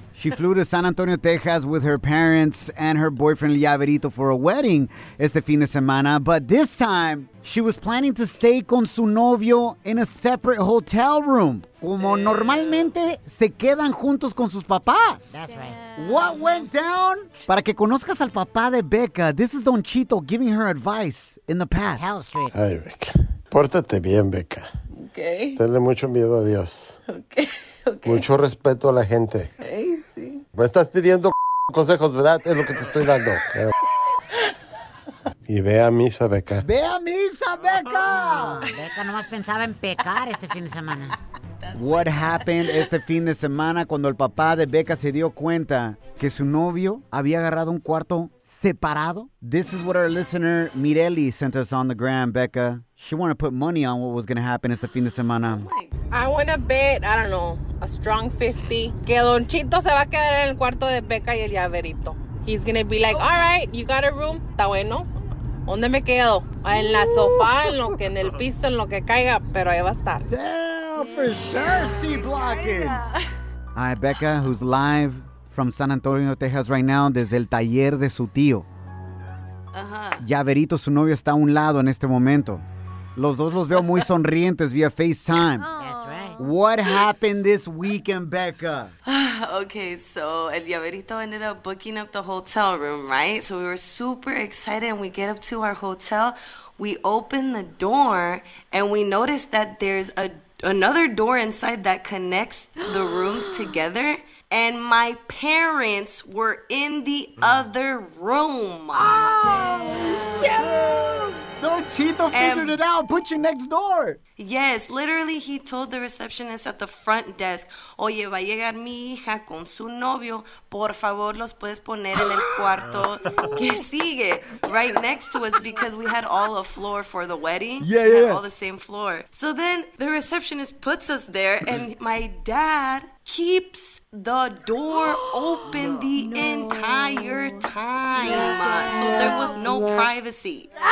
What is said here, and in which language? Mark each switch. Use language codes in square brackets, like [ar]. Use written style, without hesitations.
[en] She flew to San Antonio, Texas with her parents and her boyfriend, Llaverito, for a wedding [es] este fin de semana. [en] But this time, she was planning to stay [es] con su novio [en] in a separate hotel room. [es] Como normalmente se quedan juntos con sus papás. [en] That's right. What went down? [es] Para que conozcas al papá de Becca, [en] this is Don Chito giving her advice in the past. Hell Street. [es] Ay, Becca. Pórtate bien, Becca. [en] Okay. [es] Tenle mucho miedo a Dios. [en] Okay. [es] Mucho respeto a la gente. [en] Okay, sí. [es] Me estás pidiendo consejos, ¿verdad? Es lo que te estoy dando. Y ve a misa, Becca. ¡Ve a misa, Becca! Becca nomás pensaba en pecar este fin de semana. [en] What happened [es] este fin de semana cuando el papá de Becca se dio cuenta que su novio había agarrado un cuarto separado? [en] This is what our listener Mireli sent us on the gram, Becca. She wanted to put money on what was going to happen [es] este fin de semana. [en] I want to bet, I don't know, a strong 50, [es] que Don Chito se va a quedar en el cuarto de Becca y el Llaverito. [en] He's going to be like, all right, you got a room, [es] está bueno. ¿Dónde me quedo? En la sofá, en lo que, en el piso, en lo que caiga, pero ahí va a estar. [en] Damn, for sure, C-blocking. All right, Becca, who's live from San Antonio, Texas right now, [es] desde el taller de su tío. Llaverito, su novio, está a un lado en este momento. Los dos los veo muy sonrientes via FaceTime. [en] That's right. What happened this weekend, Becca? Okay, so El Llaverito ended up booking up the hotel room, right? So we were super excited and we get up to our hotel. We open the door and we notice that there's another door inside that connects the rooms together. And my parents were in the other room. Oh, yeah. No, Chito figured it out. Put you next door. Yes, literally he told the receptionist at the front desk, [es] oye, va a llegar mi hija con su novio. Por favor, los puedes poner en el cuarto que sigue. [en] Right next to us because we had all a floor for the wedding. Yeah, yeah. We had all the same floor. So then the receptionist puts us there and my dad keeps the door open the entire time. Yeah. So there was no privacy.